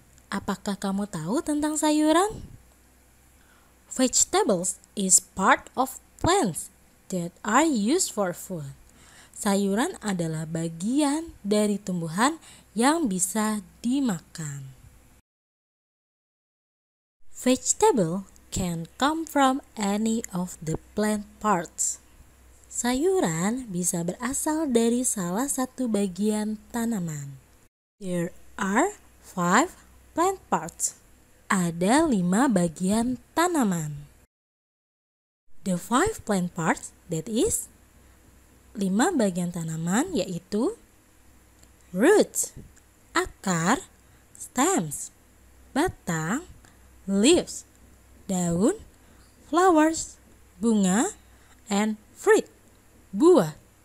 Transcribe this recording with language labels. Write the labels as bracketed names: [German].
[Indonesian] Apakah kamu tahu tentang sayuran? [English] Vegetables is part of plants that are used for food. [Indonesian] Sayuran adalah bagian dari tumbuhan yang bisa dimakan. [English] Vegetable can come from any of the plant parts. [Indonesian] Sayuran bisa berasal dari salah satu bagian tanaman. [English] There are 5 plant parts. [Indonesian] Ada 5 bagian tanaman. [English] The 5 plant parts, that is [Indonesian] 5 bagian tanaman, yaitu roots, akar, stems, batang, leaves, daun, flowers, bunga, and fruit. Buah.